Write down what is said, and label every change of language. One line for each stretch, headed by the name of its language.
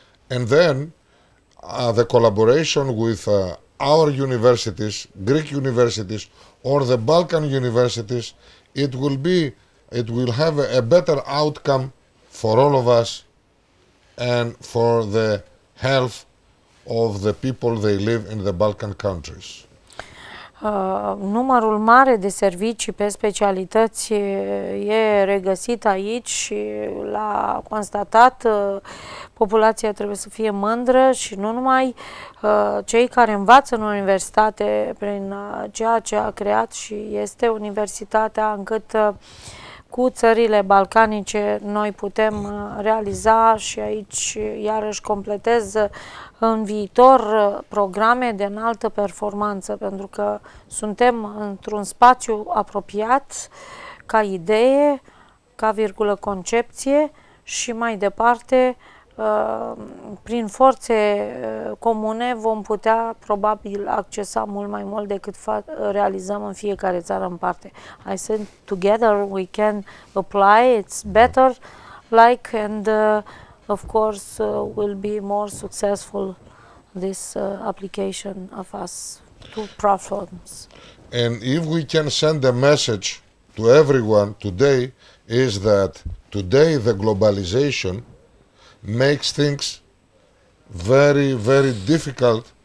English: And then the collaboration with our universities, Greek universities or the Balkan universities, it will have a better outcome for all of us and for the health of the people they live in the Balkan countries.
Romanian: Numărul mare de servicii pe specialități e regăsit aici și l-a constatat. Populația trebuie să fie mândră și nu numai cei care învață în universitate prin ceea ce a creat și este universitatea, încât cu țările balcanice noi putem realiza și aici iarăși completez în viitor programe de înaltă performanță, pentru că suntem într-un spațiu apropiat ca idee, ca virgulă concepție și mai departe, prin forțe comune, vom putea probabil accesa mult mai mult decât realizăm în fiecare țară în parte.
English: I said, together we can apply, it's better, like, and of course, will be more successful, this application of us to platforms. And if we can send a message to everyone today, is that today the globalization makes things very, very difficult.